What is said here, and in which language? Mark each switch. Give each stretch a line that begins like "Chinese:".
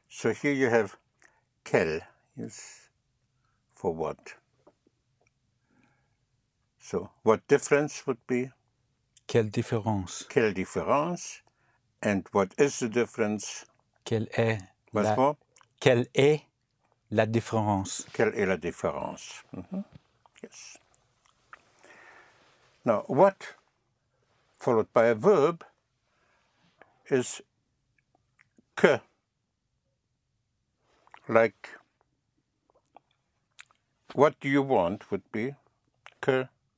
English: So here you have kel, yes, for what? So what difference would be?
French: Quelle différence? Quelle différence?
English: And what is the difference?
French: Quelle est
English: What's la? More?
French: Quelle est la différence? Quelle est la différence?
English: Mm-hmm. Yes. Now what, followed by a verb, is que. Like, what do you want would be que.